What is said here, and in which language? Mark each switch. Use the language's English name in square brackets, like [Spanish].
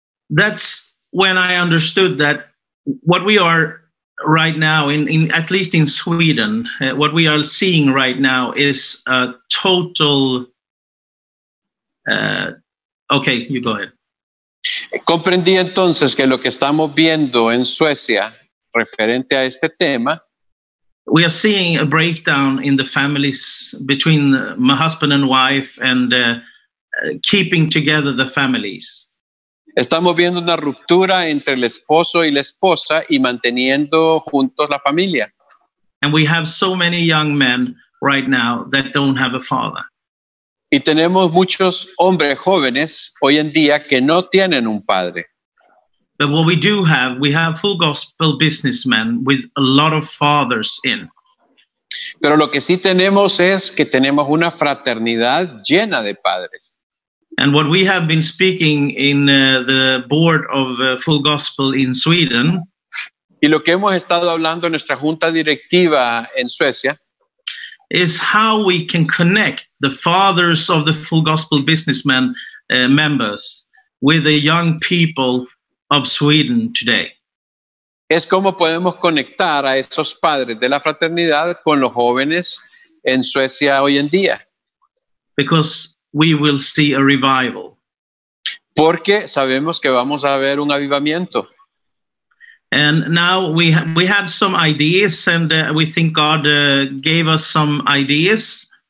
[English] That's when I understood that what we are right now, in at least in Sweden, what we are seeing right now is a total... Okay, you go ahead. [Spanish] Comprendí entonces que lo que estamos viendo en Suecia, referente a este tema... [English] We are seeing a breakdown in the families between my husband and wife and keeping together the families. [Spanish] Estamos viendo una ruptura entre el esposo y la esposa y manteniendo juntos la familia. [English] And we have so many young men right now that don't have a father. [Spanish] Y tenemos muchos hombres jóvenes hoy en día que no tienen un padre. [English] But what we have full gospel businessmen with a lot of fathers in. [Spanish] Pero lo que sí tenemos es que tenemos una fraternidad llena de padres. [English] And what we have been speaking in the board of Full Gospel in Sweden. [Spanish] Y lo que hemos estado hablando en nuestra junta directiva en Suecia. [English] Is how we can connect the fathers of the Full Gospel businessmen members with the young people of Sweden today. [Spanish] es cómo podemos conectar a esos padres de la fraternidad con los jóvenes en Suecia hoy en día. [English] Because we will see a revival. [Spanish] Porque sabemos que vamos a ver un avivamiento. [English] And now we had some ideas and we think God gave us some ideas.